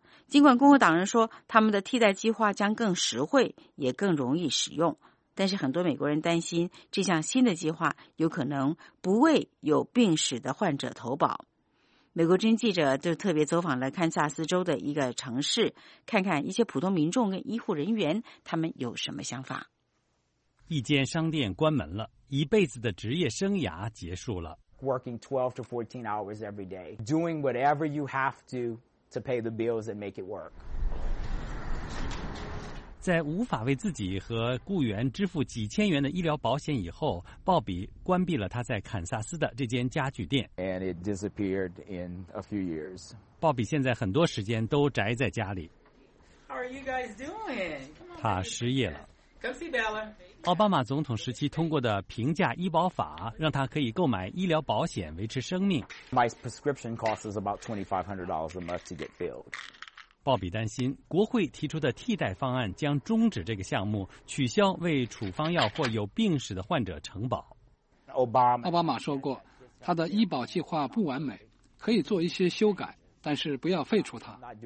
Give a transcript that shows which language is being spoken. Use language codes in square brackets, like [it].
[zh] 尽管共和党人说他们的替代计划将更实惠，也更容易使用，但是很多美国人担心这项新的计划有可能不为有病史的患者投保。美国之音记者就特别走访了堪萨斯州的一个城市，看看一些普通民众跟医护人员他们有什么想法。一间商店关门了，一辈子的职业生涯结束了。 [en] Working 12 to 14 hours every day, doing whatever you have to to pay the bills and make it work. [zh] 在无法为自己和雇员支付几千元的医疗保险以后，鲍比关闭了他在堪萨斯的这间家具店。 [en] And it disappeared in a few years. [zh] 鲍比现在很多时间都宅在家里。 [en] How are you guys doing? Come on, [zh] 他失业了。 [en] Come see Bella. [zh] 奥巴马总统时期通过的平价医保法让他可以购买医疗保险维持生命。 [en] My prescription costs about $2,500 a month to get filled. [zh] 鲍比担心国会提出的替代方案将终止这个项目，取消为处方药或有病史的患者承保。奥巴马说过他的医保计划不完美，可以做一些修改，但是不要废除它。